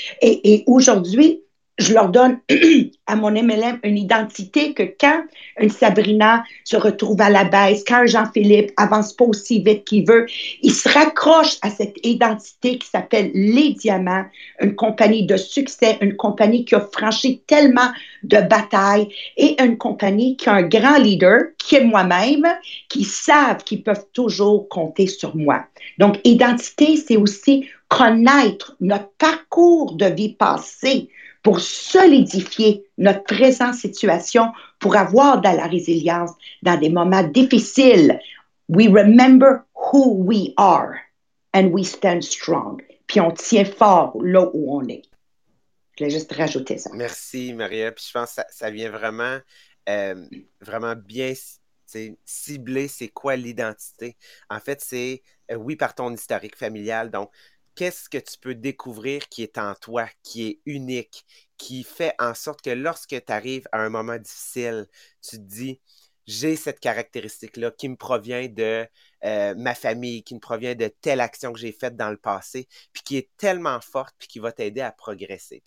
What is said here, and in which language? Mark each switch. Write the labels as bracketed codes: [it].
[fr] Et aujourd'hui, je leur donne à mon MLM une identité que quand une Sabrina se retrouve à la baisse, quand un Jean-Philippe avance pas aussi vite qu'il veut, il se raccroche à cette identité qui s'appelle Les Diamants, une compagnie de succès, une compagnie qui a franchi tellement de batailles et une compagnie qui a un grand leader, qui est moi-même, qui savent qu'ils peuvent toujours compter sur moi. Donc, identité, c'est aussi connaître notre parcours de vie passée pour solidifier notre présente situation, pour avoir de la résilience dans des moments difficiles. [en] We remember who we are and we stand strong. [fr] Puis on tient fort là où on est. Je voulais juste rajouter ça. Merci, Maria. Puis je pense que ça vient vraiment, vraiment bien cibler c'est quoi l'identité. En fait, c'est oui par ton historique familial, donc, qu'est-ce que tu peux découvrir qui est en toi, qui est unique, qui fait en sorte que lorsque tu arrives à un moment difficile, tu te dis, j'ai cette caractéristique-là qui me provient de ma famille, qui me provient de telle action que j'ai faite dans le passé, puis qui est tellement forte, puis qui va t'aider à progresser.